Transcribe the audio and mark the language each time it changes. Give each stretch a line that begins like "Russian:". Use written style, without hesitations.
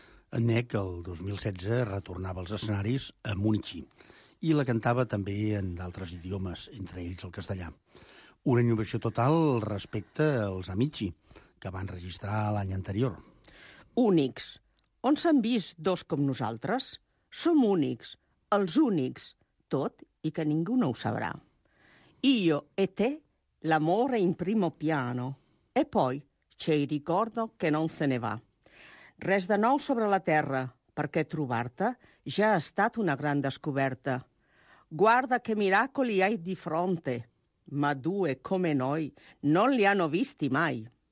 Catalan: Nec, el 2016, retornava als escenaris a Unici i la cantava també en d'altres idiomes, entre ells el castellà. Una innovació total respecte als Amici, que van registrar l'any anterior. Únics. On s'han vist dos com nosaltres? Som únics, els únics, tot i que ningú no ho sabrà.
Italian: Io e te, l'amore in primo piano. E poi, c'è il ricordo che non se ne va.
Catalan: Res de nou sobre la terra, perquè trobar-te ja ha estat una gran descoberta.
Italian: Guarda che miracoli hai di fronte, ma due come noi non li hanno visti mai.